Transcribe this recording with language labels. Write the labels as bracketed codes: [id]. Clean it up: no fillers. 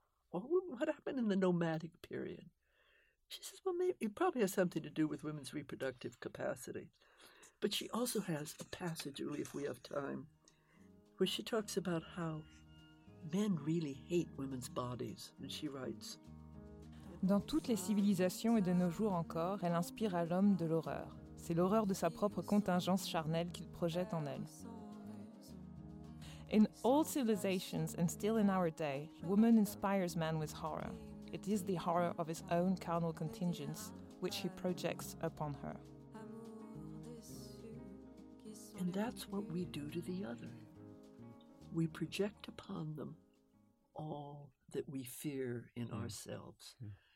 [en] What happened in the nomadic period? She says, well, maybe it probably has something to do with women's reproductive capacity. But she also has a passage, Julie, if we have time, where she talks about how men really hate women's bodies. And she writes, [fr] dans toutes les civilisations et de nos jours encore, elle inspire à l'homme de l'horreur. C'est l'horreur de sa propre contingence charnelle qu'il projette en elle. [en] In all civilizations and still in our day, woman inspires man with horror. It is the horror of his own carnal contingence which he projects upon her. And that's what we do to the other. We project upon them all that we fear in ourselves. Mm.